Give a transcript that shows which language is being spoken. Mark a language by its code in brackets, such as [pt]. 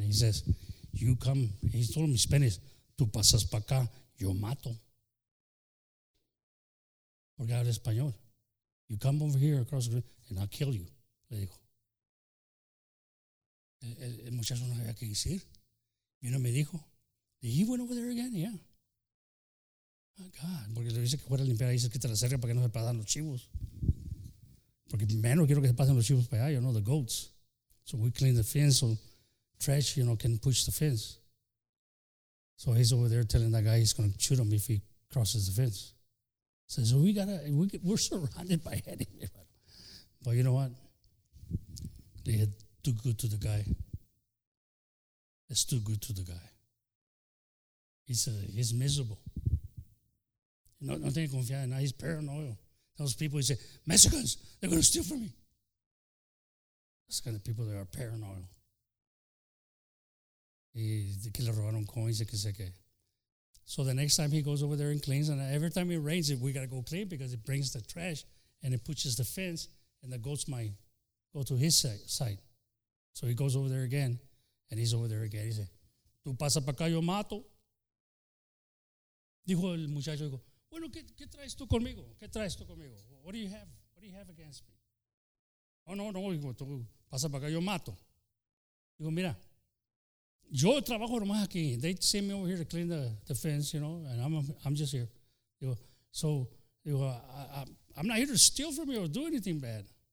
[en] He says, you come. He told him in Spanish, [es] tú pasas para acá, yo mato. Porque habla español. [en] You come over here across the street and I'll kill you, [es] le dijo. El muchacho no había que decir. Y uno me dijo, [en] he went over there again, yeah. [es] God, porque le dice que fuera a limpiar ahí, se quita la cerca para que no se pasen los chivos. Porque menos quiero que se pasen los chivos para allá, [en] you know, the goats. So we clean the fence so trash, you know, can push the fence. So he's over there telling that guy he's going to shoot him if he crosses the fence. So we're surrounded by enemies. But you know what? They had too good to the guy. It's too good to the guy. He's miserable. [es] No, no tiene confianza en nada. [en] He's paranoid. Those people, he said, Mexicans, they're going to steal from me. That's the kind of people that are paranoid. [es] Y de que le robaron coins y que sé qué. [en] So the next time he goes over there and cleans, and every time it rains, we got to go clean because it brings the trash and it pushes the fence and the goats might go to his side. So he goes over there again and he's over there again. He said, [es] tú pasa para acá, yo mato. Dijo el muchacho, dijo, bueno, ¿qué traes tú conmigo? ¿Qué traes tú conmigo? [en] What do you have? What do you have against me? [es] Oh, no, no, dijo, tú pasa para acá, yo mato. Dijo, mira, yo trabajo nomás aquí. [en] They send me over here to clean the fence, you know, and I'm just here. Digo, so, digo, I'm not here to steal from you or do anything bad.